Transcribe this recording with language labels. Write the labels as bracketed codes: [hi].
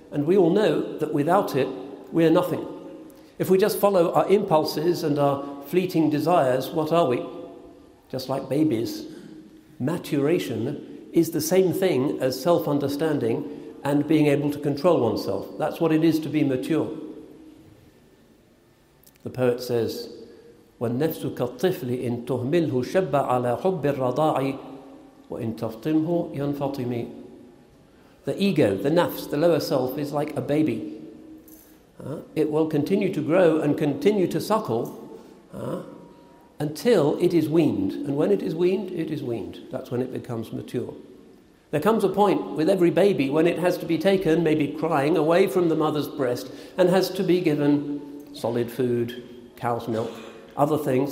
[en] And we all know that without it, we are nothing. If we just follow our impulses and our fleeting desires, what are we? Just like babies. Maturation is the same thing as self-understanding and being able to control oneself. That's what it is to be mature. [ar] The poet says, وَالنَّفْسُكَ الطِّفْلِ إِن تُهْمِلْهُ شَبَّ عَلَى حُبِّ الرَّضَاعِ وَإِن تَفْطِمْهُ يَنْفَطِمِ. [en] The ego, the nafs, the lower self, is like a baby. It will continue to grow and continue to suckle until it is weaned. And when it is weaned, it is weaned. That's when it becomes mature. There comes a point with every baby when it has to be taken, maybe crying, away from the mother's breast and has to be given solid food, cow's milk, other things.